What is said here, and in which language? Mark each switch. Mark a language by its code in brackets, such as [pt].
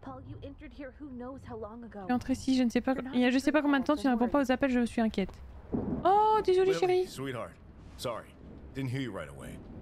[en] Paul, you entered here who knows how long ago. [fr] Tu es entré ici, je sais pas combien de temps, tu ne réponds pas aux appels, je suis inquiète. Oh, désolé chérie. [en] Lily, sweetheart, sorry, didn't hear you right away.